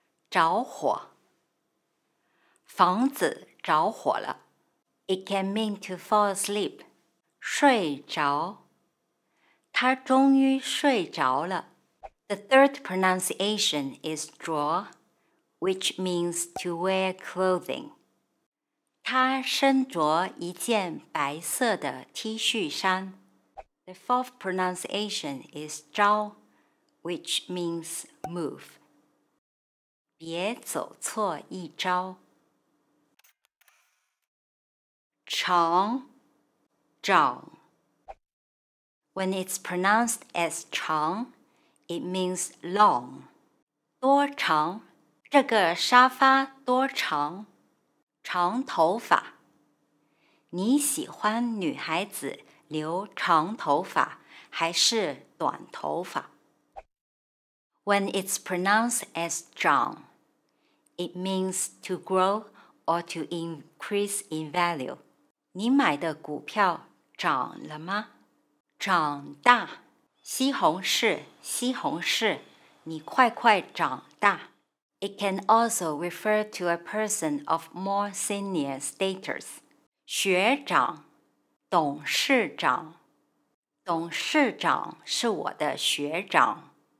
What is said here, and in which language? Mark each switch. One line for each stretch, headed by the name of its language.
Chinese: 着火。房子着火了。
English: It can mean to fall asleep, 睡着。
Chinese: 他终于睡着了。
English: The third pronunciation is 着, which means to wear clothing.
Chinese: 他身着一件白色的 T 恤衫。
English: The fourth pronunciation is 着, which means move.
Chinese: 别走错一招。长，长。
English: When it's pronounced as 长, it means long.
Chinese: 多长?这个沙发多长? 长头发。你喜欢女孩子留长头发还是短头发?
English: when it's pronounced as zhǎng, it means to grow or to increase in value.
Chinese: 你买的股票涨了吗？涨大。西红柿，西红柿，你快快长大。
English: It can also refer to a person of more senior status.
Chinese: 学长，董事长，董事长是我的学长。